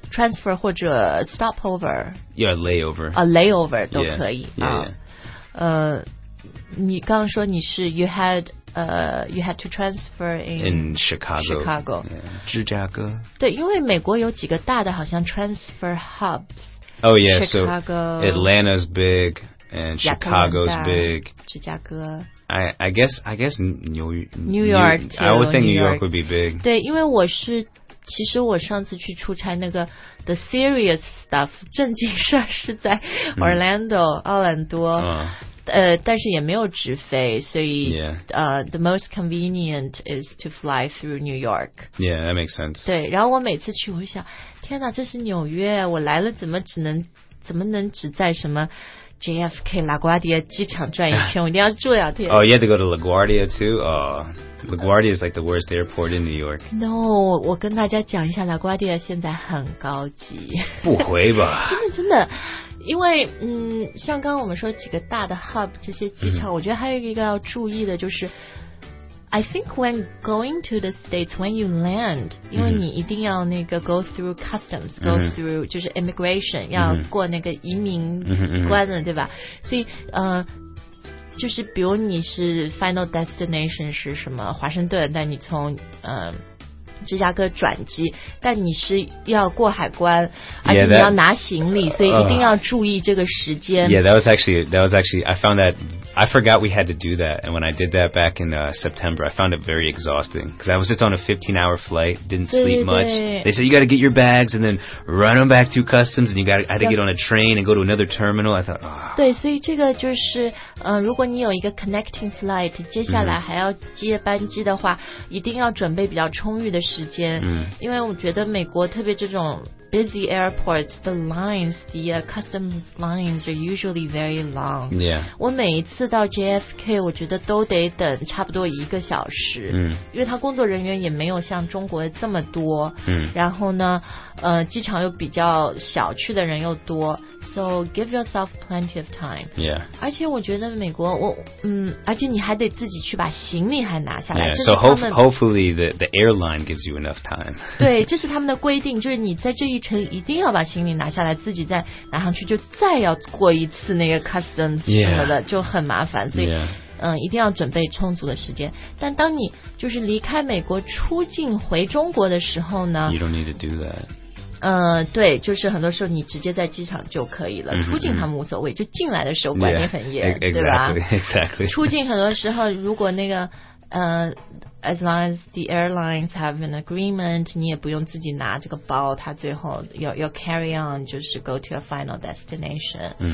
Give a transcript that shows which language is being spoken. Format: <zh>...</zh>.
<en>Transfer 或者 stopover. Yeah, layover. A layover</en> <zh>都可以。你刚刚说你是</zh> <en>you had to transfer in Chicago. Chicago.</en> <zh>Yeah. 芝加哥。对，因为美国有几个大的，好像 transfer hubs.</zh> <en>Oh yeah, Chicago, so Atlanta's big and Chicago's big.</en> <zh>芝加哥。</zh> <en>I guess New York. I would think New York would be big.</en> <zh>对，因为我是。其实我上次去出差那个</zh> <en>the serious stuff</en> <zh>正经事是在 Orlando 奥兰多但是也没有直飞所以</zh> <en>the most convenient is to fly through New York yeah that makes sense</en> <zh>对然后我每次去我想天哪这是纽约我来了怎么能只在什么JFK LaGuardia 机场转一天，我一定要住两天。</zh> <en>Oh, you had to go to LaGuardia too. LaGuardia is like the worst airport in New York.</en> <zh>No, 我跟大家讲一下 ，LaGuardia 现在很高级。不回吧？真的，因为像刚我们说几个大的 hub 这些机场，我觉得还有一个要注意的就是 ，</zh> <en>I think when going to the states when you land，</en> <zh>因为你一定要那个</zh> <en>go through customs，</en> <zh>go through 就是 immigration， 要过那个移民关的，对吧？所以就是比如你是 final destination 是什么华盛顿，但你从芝加哥转机，但你是要过海关，而且你要拿行李，</zh> <en>yeah, that,</en> <zh>所以一定要注意这个时间。</zh> <en>Yeah, that was actually I found that I forgot we had to do that, and when I did that back in September, I found it very exhausting, because I was just on a 15-hour flight, didn't sleep much. They said, you got to get your bags and then run them back through customs, and you got to get on a train and go to another terminal. I thought, oh.</en> <zh>对，所以这个就是，如果你有一个 connecting flight, 接下来还要接班机的话，一定要准备比较充裕的时间，因为我觉得美国特别这种busy airports,</zh> <en>the lines, the custom lines are usually very long. Yeah.</en> <zh>我每一次到 JFK, 我觉得都得等差不多一个小时。因为他工作人员也没有像中国这么多。然后呢，机场又比较小，去的人又多。</zh> <en>So give yourself plenty of time. Yeah.</en> <zh>而且我觉得美国，我，而且你还得自己去把行李还拿下来。</zh> <en>Yeah, so hopefully the airline gives you enough time.</en> <zh>对，这是他们的规定，就是你在这一程一定要把行李拿下来，自己再拿上去，就再要过一次那个 customs 什么的，就很麻烦。所以，</zh> <en>yeah.</en> <zh>一定要准备充足的时间。但当你就是离开美国出境回中国的时候呢</zh> <en>？You don't need to do that.</en> <zh>对，就是很多时候你直接在机场就可以了，出境他们无所谓，就进来的时候管理很严，</zh> <en>yeah, exactly,</en> <zh>对吧</zh> <en>？Exactly.</en> <zh>出境很多时候，如果那个</zh> <en>as long as the airlines have an agreement,</en> <zh>你也不用自己拿这个包，它最后</zh> <en>you'll carry on,</en> <zh>就是</zh> <en>go to your final destination.</en>